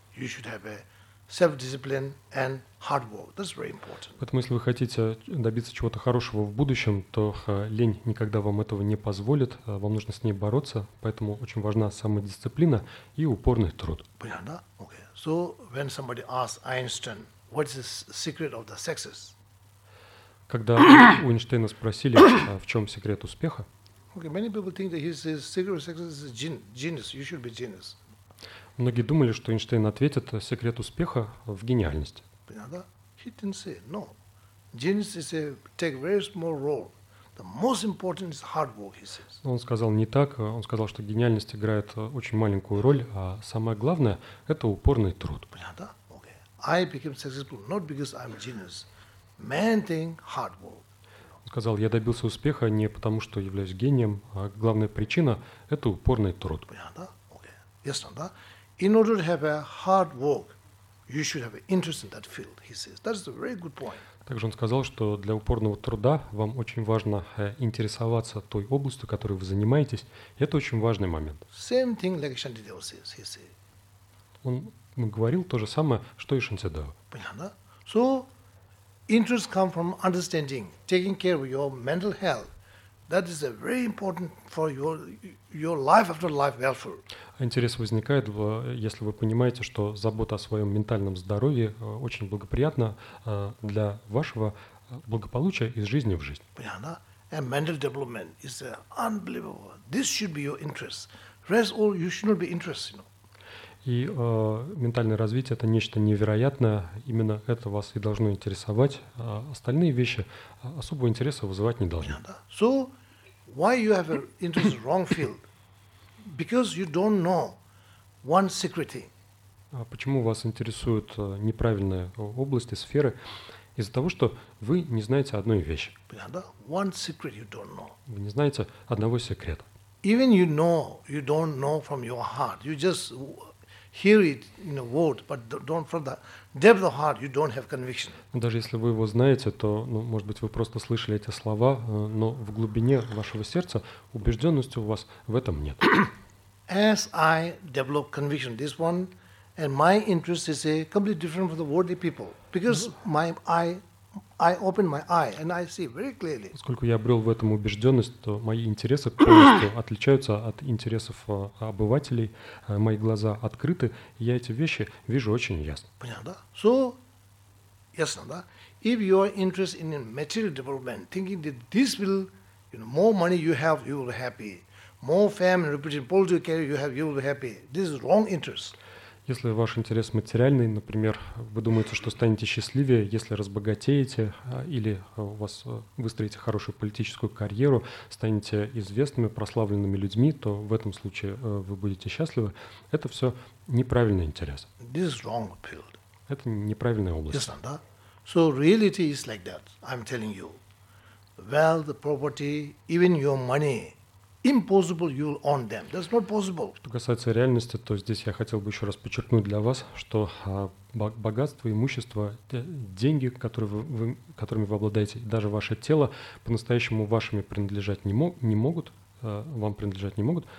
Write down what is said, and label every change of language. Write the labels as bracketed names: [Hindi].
[English] You should have a self-discipline and hard work. That's very important. [Russian] Поэтому, если вы хотите добиться чего-то хорошего в будущем, то лень никогда вам этого не позволит. Вам нужно с ней бороться. Поэтому очень важна самодисциплина и упорный труд. Понятно, да? [English] Okay. So when somebody asks Einstein, what is the secret of the success? [Russian] Когда у Эйнштейна спросили, в чем секрет успеха? [English] Okay. Many people think that his secret of success is genius. You should be genius. [Russian] Многие думали, что Эйнштейн ответит, секрет успеха в гениальности. Понятно? [English] He didn't say, no. Genius is a take very small role. The most important is hard work, he says. [Russian] Он сказал не так. Он сказал, что гениальность играет очень маленькую роль, а самое главное – это упорный труд. Понятно? [English] Okay. I became successful not because I'm a genius. Main thing – hard work. [Russian] Он сказал, я добился успеха не потому, что являюсь гением, а главная причина – это упорный труд. [English] Понятно? Okay. [Russian] Ясно, да? [English] In order to have a hard work, you should have an interest in that field, he says. That's a very good point. [Russian] Также он сказал, что для упорного труда вам очень важно интересоваться той областью, которой вы занимаетесь. Это очень важный момент. [English] Same thing like Шантидео says, he says. [Russian] Он говорил то же самое, что и Шантидео. Понятно? [English] So, interest comes from understanding, taking care of your mental health. That is a very important for your life after life welfare. [Russian] Интерес возникает, если вы понимаете, что забота о своем ментальном здоровье очень благоприятна для вашего благополучия из жизни в жизнь. Понятно? [English] And mental development is unbelievable. This should be your interest. Rest all, you should not be interested, you know. [Russian] И ментальное развитие – это нечто невероятное. Именно это вас и должно интересовать. Остальные вещи особого интереса вызывать не должны. [English] So, why you have an interest in the wrong field? Because you don't know one secret thing. [Russian] Почему вас интересуют неправильные области, сферы? Из-за того, что вы не знаете одной вещи. [English] One secret you don't know. [Russian] Вы не знаете одного секрета. [English] Even you know, you don't know from your heart. You just hear it in a word, but don't from the depth of heart. You don't have conviction. [Russian] Даже если вы его знаете, то, ну, может быть, вы просто слышали эти слова, но в глубине вашего сердца убежденности у вас в этом нет. [English] As I develop conviction, this one, and my interest is a completely different from the worldly people, because I open my eye and I see very clearly. [Russian] Поскольку я обрел в этом убежденность, то мои интересы полностью отличаются от интересов обывателей. Мои глаза открыты, и я эти вещи вижу очень ясно. Понятно, да? [English] So, [Russian] ясно, да? [English] If you are interested in material development, thinking that this will, you know, more money you have, you will be happy. More family, reputation, political career you have, you will be happy. This is wrong interest. [Russian] Если ваш интерес материальный, например, вы думаете, что станете счастливее, если разбогатеете, или у вас выстроите хорошую политическую карьеру, станете известными, прославленными людьми, то в этом случае вы будете счастливы. Это все неправильный интерес. [English] This is wrong field. [Russian] Это неправильная область. [English] Yes, да? So reality is like that. I'm telling you, wealth, property, even your money. Impossible you'll own them. That's not possible. [Russian] Что касается реальности, то здесь я хотел бы еще раз подчеркнуть для вас, что богатство, имущество, деньги, которыми вы обладаете, даже ваше тело по-настоящему вашими принадлежать не могут, вам принадлежать не могут.